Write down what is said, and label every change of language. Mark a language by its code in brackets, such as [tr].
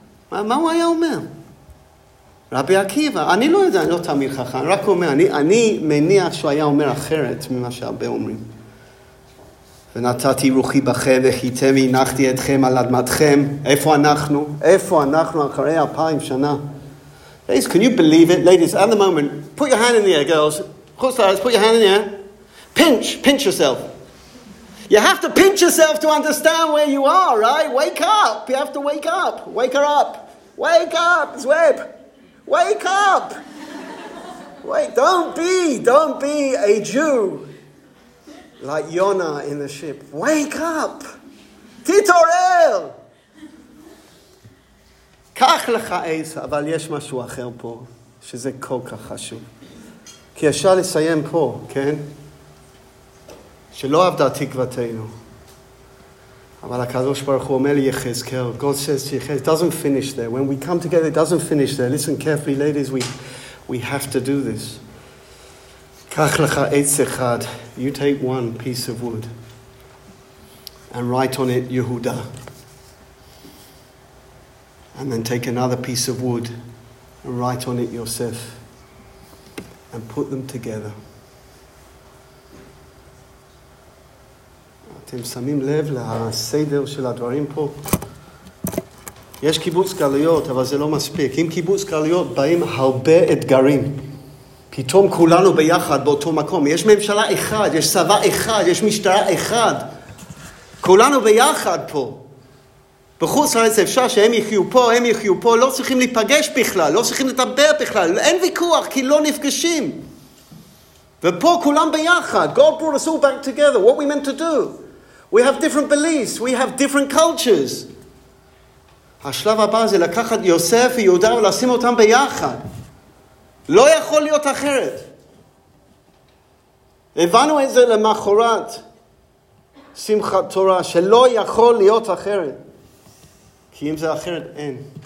[he] מה הוא היה אומר? רבי עקיבא, אני לא יודע, אני לא תמיד חכם, רק אומר, אני מניח שהוא היה אומר אחרת ממה שהרבה אומרים. ונתתי רוחי בכם וחיתם והנחתי אתכם על אדמתכם. איפה אנחנו? איפה אנחנו אחרי 2,000 שנה? [en] Ladies, can you believe it? Ladies, at the moment, put your hand in the air, girls. Close your eyes, put your hand in the air. Pinch yourself. You have to pinch yourself to understand where you are, right? Wake up. You have to wake up. Wake her up. Wake up, Zweb. Wake up. Wait, don't be a Jew like Yonah in the ship. Wake up. Titorel. [he] קח לך עץ, אבל יש משהו אחר פה, שזה כל כך חשוב. כי אפשר לסיים פה, כן? שלא עבדה תקוותינו. אבל הקדוש ברוך הוא אומר לי, יחזקאל, [en] God says to you, it doesn't finish there. When we come together, it doesn't finish there. Listen carefully, ladies, we have to do this. [he] קח לך עץ אחד, [en] you take one piece of wood, and write on it, יהודה. And then take another piece of wood and write on it Yosef and put them together. [he] אתם שמים לב לסדר של הדברים פה? יש קיבוץ גלויות, אבל זה לא מספיק. עם קיבוץ גלויות באים הרבה אתגרים. פתאום כולנו ביחד באותו מקום. יש ממשלה אחד, יש צבא אחד, יש משטרה אחד. כולנו ביחד פה. בחוץ לארץ אפשר שהם יחיו פה, הם יחיו פה, לא צריכים להיפגש בכלל, לא צריכים לדבר בכלל, אין ויכוח כי לא נפגשים. ופה כולם ביחד. [en] God brought us all back together. What we meant to do? We have different beliefs. We have different cultures. [he] השלב הבא זה לקחת יוסף ויהודה ולשים אותם ביחד. לא יכול להיות אחרת. הבנו את זה למחרת שמחת תורה, שלא יכול להיות אחרת. כי אם זה אחרת, אין.